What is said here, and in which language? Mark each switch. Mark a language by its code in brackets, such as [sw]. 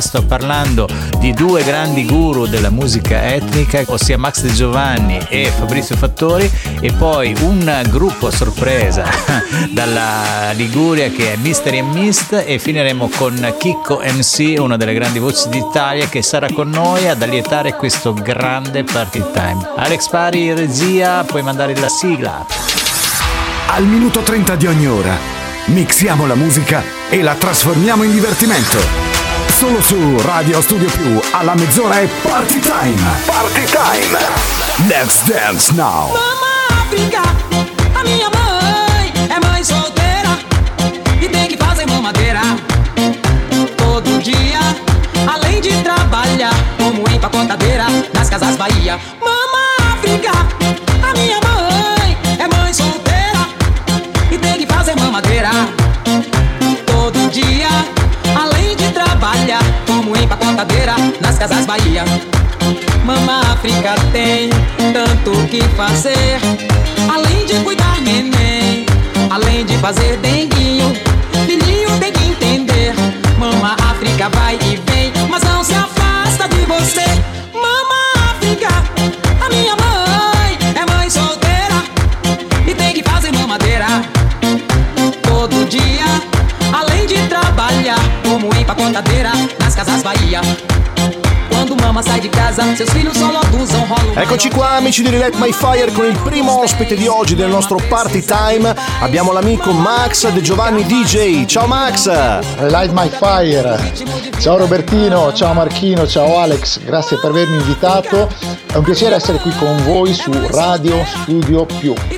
[it] Sto parlando di due grandi guru della musica etnica, ossia Max De Giovanni e Fabrizio Fattori, e poi un gruppo a sorpresa dalla Liguria che è Mystery & Mist, e finiremo con Chicco MC, una delle grandi voci d'Italia, che sarà con noi ad allietare questo grande Party Time. Alex Pari in regia, puoi mandare la sigla. Al minuto 30 di ogni ora mixiamo la musica e la trasformiamo in divertimento. Solo su Radio Studio Più, alla mezz'ora è Party Time. Party Time. [en] Let's dance now. [pt] Mamma Africa, a mia mãe é mãe solteira e tem que fazer mamadeira todo dia, além de trabalhar como empacotadeira nas casas Bahia. Mamma Africa, a minha mãe é mãe solteira e tem que fazer mamadeira todo dia, além de trabalhar como empacotadeira nas casas Bahia. Mamma Africa tem tanto que fazer, além de cuidar neném, além de fazer denguinho, filhinho tem que entender. Mamma Africa vai e vem, mas não se afasta de você. Mamma Africa, a minha mãe é mãe solteira e tem que fazer mamadeira todo dia, além de trabalhar como empacotadeira nas casas Bahia. Quando mama sai de casa, seus filhos só logo usam rolo. [it] Eccoci qua, amici di Relight My Fire, con il primo ospite di oggi del nostro party time. Abbiamo l'amico Max De Giovanni DJ. Ciao Max! Relight My Fire! Ciao Robertino, ciao Marchino, ciao Alex, grazie per avermi invitato. È un piacere essere qui con voi su Radio Studio Più.